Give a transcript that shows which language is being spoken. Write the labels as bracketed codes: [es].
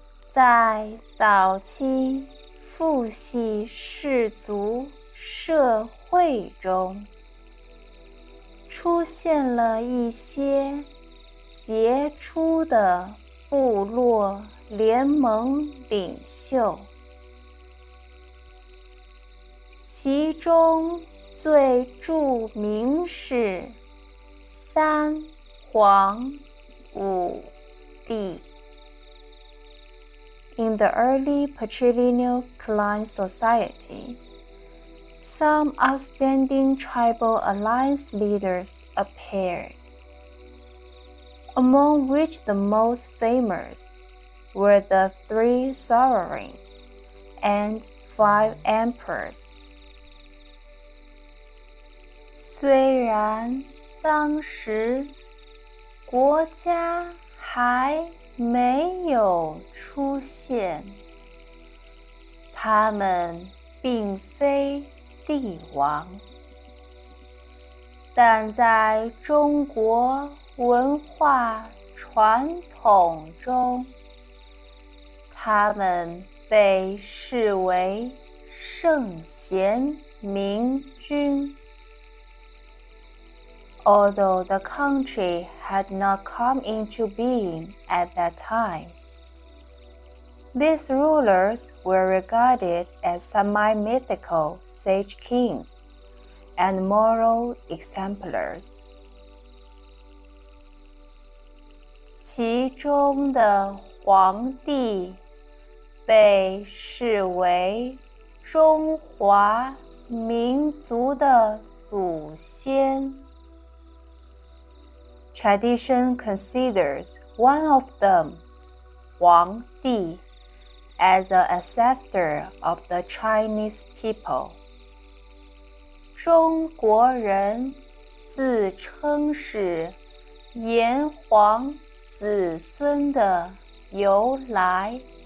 [zh] 在早期父系氏族社会中，出现了一些杰出的部落联盟领袖，其中最著名是三皇五帝。 [en] In the early patrilineal clan society, some outstanding tribal alliance leaders appeared, among which the most famous were the three sovereigns and five emperors. [zh] 虽然当时国家还没有出现，他们并非帝王，但在中国文化传统中，他们被视为圣贤明君。 [en] although the country had not come into being at that time. These rulers were regarded as semi-mythical sage kings and moral exemplars. [zh] 其中的皇帝被视为中华民族的祖先。 [en] Tradition considers one of them, Huang Di, as an ancestor of the Chinese people. [zh] 中国人自称是炎黄子孙的由来。